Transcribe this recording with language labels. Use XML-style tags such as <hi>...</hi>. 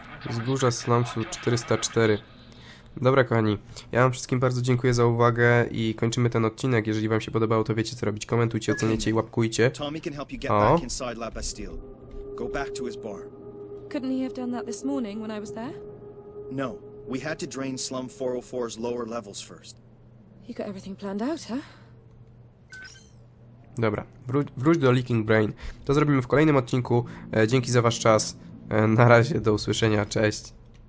<pl>Wzgórza Slumsu 404. Dobra, kochani, ja wam wszystkim bardzo dziękuję za uwagę i kończymy ten odcinek. Jeżeli wam się podobało, to wiecie co robić. Komentujcie, oceniajcie i łapkujcie.</pl> <en>Tommy can help you get back inside La Bastille. Go back to his bar. Couldn't he have done that this morning when I was there? No, we had to drain Slum 404's lower levels first. You got everything planned out, huh?</en> <pl>Dobra, wróć do Leaking Brain. To zrobimy w kolejnym odcinku. Dzięki za wasz czas. Na razie, do usłyszenia, cześć.</pl>